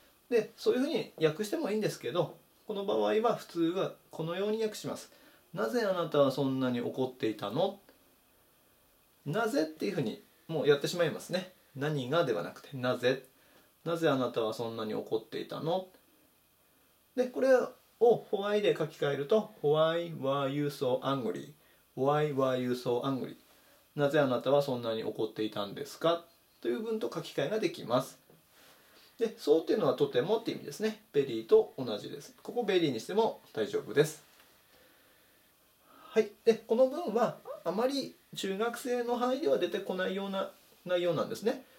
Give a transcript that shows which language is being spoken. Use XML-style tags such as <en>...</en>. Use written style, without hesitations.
<ja>で、そういうふうに訳してもいいんですけど、この場合は普通はこのように訳します。なぜあなたはそんなに怒っていたの。なぜっていうふうにもうやってしまいますね。何がではなくて、なぜ、なぜあなたはそんなに怒っていたの。で、これを</ja> <en>why</en> <ja>で書き換えると</ja> <en>why were you so angry? why were you so angry?</en> <ja>なぜあなたはそんなに怒っていたんですかという文と書き換えができます。で、そうっていうのはとてもって意味ですね。ベリーと同じです。ここベリーにしても大丈夫です。はい、で、この文はあまり中学生の範囲では出てこないような内容なんですね。</ja>